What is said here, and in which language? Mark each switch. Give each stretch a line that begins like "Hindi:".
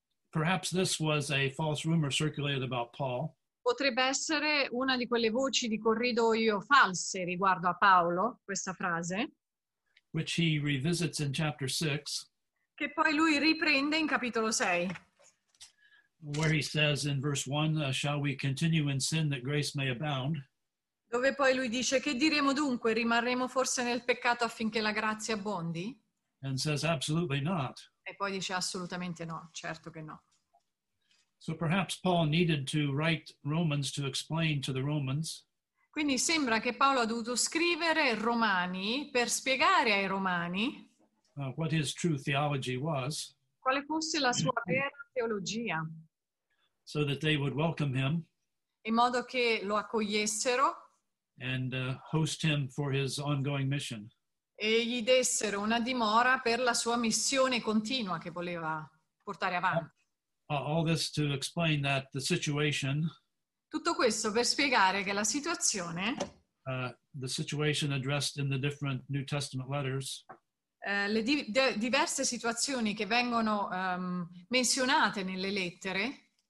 English: Perhaps this was a false rumor circulated about Paul.
Italian: Potrebbe essere una di quelle voci di corridoio false riguardo a Paolo, questa frase.
English: Which he revisits in chapter 6.
Italian: Che poi lui riprende in capitolo 6.
English: Where he says in verse 1, shall we continue in sin that grace may abound?
Italian: Dove poi lui dice, che diremo dunque? Rimarremo forse nel peccato affinché la grazia abbondi?
English: And says absolutely not.
Italian: E poi dice assolutamente no, certo che no.
English: So perhaps Paul needed to write Romans to explain to the Romans.
Italian: Quindi sembra che Paolo ha dovuto scrivere Romani per spiegare ai Romani
English: what his true theology was,
Italian: quale fosse la sua vera teologia,
English: so that they would welcome him,
Italian: in modo che lo accogliessero
English: and host him for his ongoing mission.
Italian: E gli dessero una dimora per la sua missione continua che voleva portare avanti.
English: All this to explain that the situation,
Italian: tutto questo per spiegare che la situazione,
English: the situation addressed in the different New Testament letters,
Italian: le diverse situazioni che vengono menzionate nelle lettere,